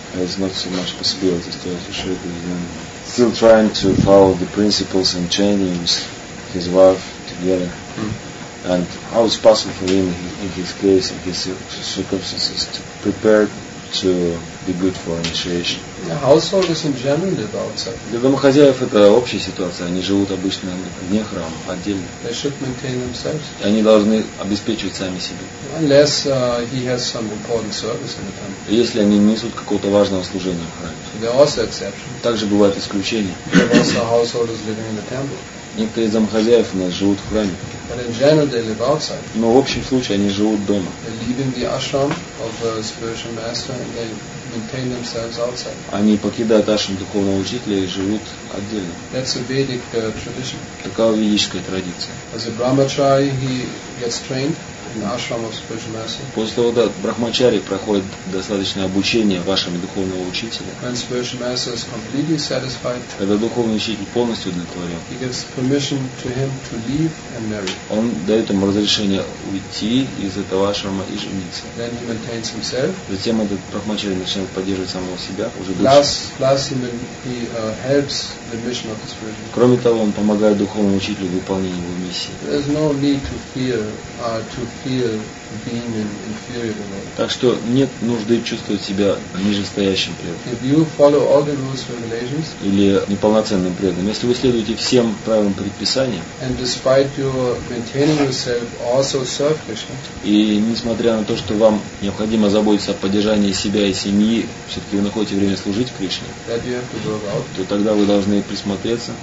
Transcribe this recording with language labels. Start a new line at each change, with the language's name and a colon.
English: There's not so much possibilities to associate with him. Still trying to follow the principles and trainings, his wife together. And how it's possible for him in his case, in his circumstances, to prepare to be good for initiation. The household is in general without
Russian: Для домохозяев это общая ситуация. Они живут обычно вне храма, отдельно.
English: They should maintain themselves.
Russian: Они должны обеспечивать сами себе.
English: Unless he has some important service in the temple.
Russian: Если они несут какого-то важного служения в храме.
English: There are also exceptions.
Russian: Также бывают исключения.
English: There are also householders living in the temple.
Russian: Некоторые из домохозяев у нас живут в храме.
English: But in general they live outside.
Russian: Но в общем случае они живут дома.
English: They live in the ashram of the spiritual master and they maintain themselves outside.
Russian: Они покидают ашрам духовного учителя и живут отдельно.
English: That's a Vedic tradition.
Russian: Такова ведическая традиция.
English: As a brahmachari he gets trained in the ashram of spiritual master.
Russian: После того, как брахмачари проходит достаточное обучение в ашраме духовного учителя,
English: when spiritual master is completely satisfied,
Russian: когда духовный учитель полностью удовлетворен,
English: he gets permission to him to leave and marry.
Russian: Он дает ему разрешение уйти из этого ашрама и жениться.
English: Then he maintains himself.
Russian: Затем этот брахмачари начинает поддерживать самого себя, уже дальше. Кроме того, он помогает духовному учителю в выполнении его миссии.
English: There's no need to fear, to feel being an inferior devotee.
Russian: Так что нет нужды чувствовать себя нижестоящим преданным.
English: If you follow all the rules and regulations,
Russian: или неполноценным преданным, если вы следуете всем правилам предписания,
English: and despite you maintaining yourself also serve Krishna,
Russian: и несмотря на то, что вам необходимо заботиться о поддержании себя и семьи, все-таки вы находите время служить Кришне,
English: that you have to go about,
Russian: то тогда вы должны присмотреться,